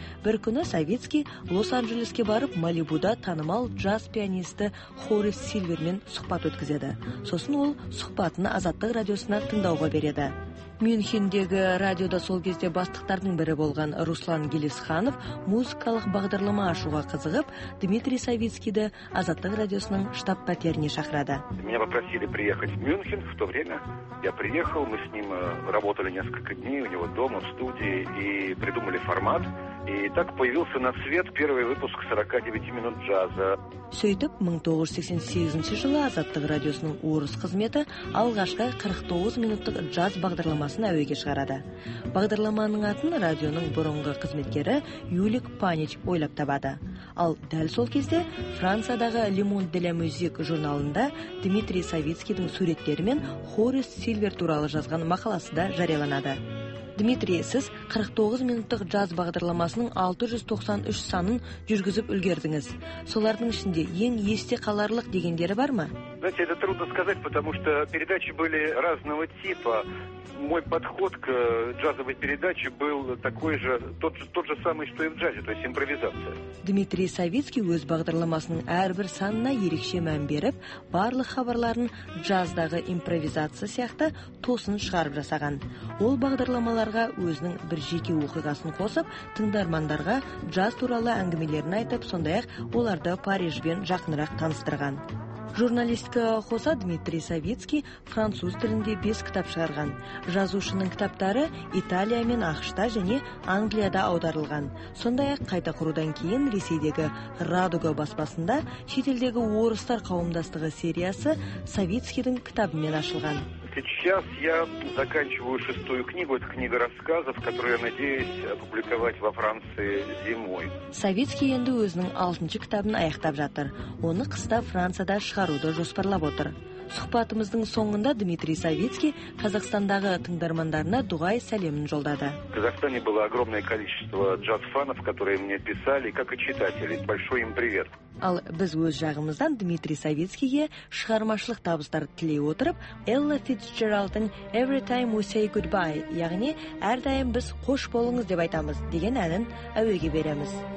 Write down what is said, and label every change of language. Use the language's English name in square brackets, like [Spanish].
[Kazakh] Бір күні Савицкий Лос-Анджелеске барып, Малибуда танымал джаз пианисті Хорис Сильвермен сұхбат өткізеді. Сосын ол сұхбатын Азаттық радиосына тыңдауға береді. Мюнхендегі радиода сол кезде бастықтардың бірі болған Руслан Гелисханов музыкалық бағдарлама ашуға қызығып, Дмитрий Савицкийді Азаттық радиосының штаб пәтеріне шақырады. [Russian] Меня попросили приехать в Мюнхен в то время. Я приехал, мы с ним работали несколько дней у него дома в студии и придумали формат. И так появился на свет первый выпуск 49 минут джаза. [Kazakh] Сөйтіп, 1988 жылы Азаттық радиосының орыс қызметі алғашқы 49 минуттық джаз бағдарламасын әуеге шығарады. Бағдарламаның атын радионың бұрынғы қызметкері Юлик Панич ойлап табады. Ал дәл сол кезде Франциядағы Le Monde de la Musique журналында Дмитрий Савицкийдің суреттері мен Хорис Сильвер туралы жазған мақаласы да жарияланады. Дмитрий, сіз 49 минуттық джаз бағдарламасының 693 санын жүргізіп үлгердіңіз. Солардың ішінде ең есте қаларлық дегендері бар ма? [Russian] Знаете, это трудно сказать, потому что передачи были разного типа. Мой подход к джазовой передаче был такой же, тот же самый, что и в джазе, то есть импровизация. [Kazakh] Дмитрий Савицкий өз бағдарламасының әрбір санына ерекше мән беріп, барлық хабарларын джаздағы импровизация сияқты тосын шығарып жасаған. Ол бағдарламаларға өзінің бір жеке оқиғасын қосып, тыңдармандарға джаз туралы әңгімелерін айтып, сондай-ақ оларды Парижбен жақынырақ таныстырған. Журналистка қоса Дмитрий Савицкий француз тілінде 5 кітап шығарған. Жазушының кітаптары Италия мен Ақшта және Англияда аударылған. Сондай-ақ қайта құрудан кейін Ресейдегі Радуга баспасында шетелдегі орыстар қауымдастығы сериясы Савицкийдің кітабымен ашылған. [Russian] Сейчас я заканчиваю шестую книгу. Это книга рассказов, которую я надеюсь опубликовать во Франции зимой. [Kazakh] Савицкий енді өзінің 6-шы кітабын аяқтап жатыр. Оны қыста Францияда шығаруды жоспарлап отыр. Сұхбатымыздың соңында Дмитрий Савицкий Қазақстандағы тыңдармандарына дұғай сәлемін жолдады. [Russian] В Казахстане было огромное количество джаз-фанов, которые мне писали, как и читатели. Большой им привет. [Kazakh] Ал біз өз жағымыздан Дмитрий Савицкийге шығармашылық табыстар тілей отырып, Элла Фицджеральдтың Every Time We Say Goodbye, яғни әрдайым біз қош болыңыз деп айтамыз деген әнін әуеге береміз.